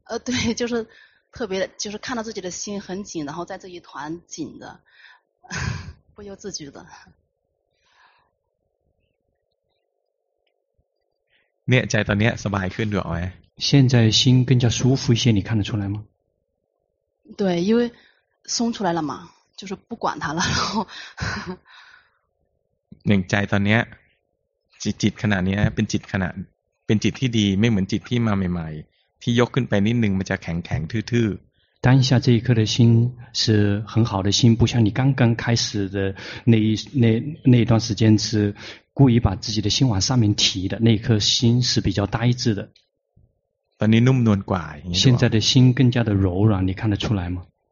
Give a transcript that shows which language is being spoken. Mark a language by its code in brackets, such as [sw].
[zh] 对就是特别的就是看到自己的心很紧然后在这一团紧的不由自觉的你在这里是吧还可以现在心更加舒服一些你看得出来吗对因为松出来了嘛就是不管它了然后你在这里 [th] จิตขนาดนี้เป็นจิตขนาดเป็นจิตที่ดีไม่เหมือนจิตที่มาใหม่ๆที่ยกขึ้นไปนิดนึงมันจะแข็งๆทื่อ [zh] ๆ当下这一刻的心是很好的心不像你刚刚开始的那一段时间是故意把自己的心往上面提的那颗心是比较呆滞的 [th] ตอนนี้นุ่มนวลกว่า [zh] 现在的心更加的柔软你看得出来吗